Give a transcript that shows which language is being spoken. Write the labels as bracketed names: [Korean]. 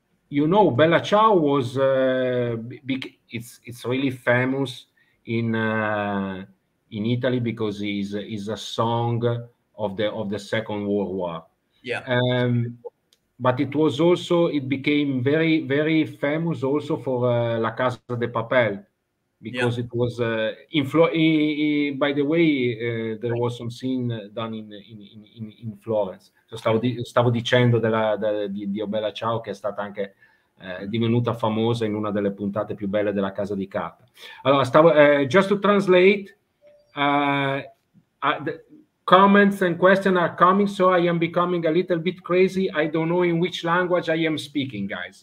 [English] You know, Bella Ciao was it's really famous in Italy because it's a song of the Second World War. Yeah. But it became very very famous also for La Casa de Papel because yeah. It was by the way there was some scene done in Florence. [Italian] Stavo dicendo di Bella Ciao, che è stata anche divenuta famosa in una delle puntate più belle della Casa di Carta. [English] Allora, just to translate, the comments and questions are coming, so I am becoming a little bit crazy. I don't know in which language I am speaking, guys.